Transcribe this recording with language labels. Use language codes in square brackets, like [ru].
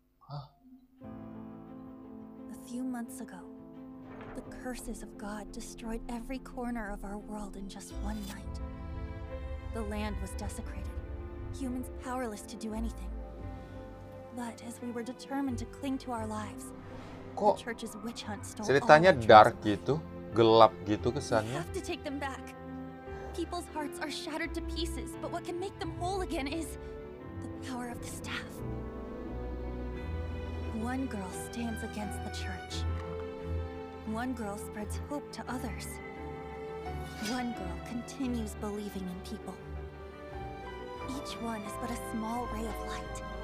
[en] A few months ago, the curses of God destroyed every corner of our world in just one night. The land was desecrated. Humans powerless to do anything. But as we were determined to cling to our lives, [id] kok [en] the church's witch hunt stole. [id] Ceritanya dark gitu, gelap gitu kesannya. [en] We have to take them back. People's hearts are shattered to pieces, but what can make them whole again is the power of the staff. One girl stands against the church. One girl spreads hope to others. One girl continues believing in people. Each one is but a small ray of light.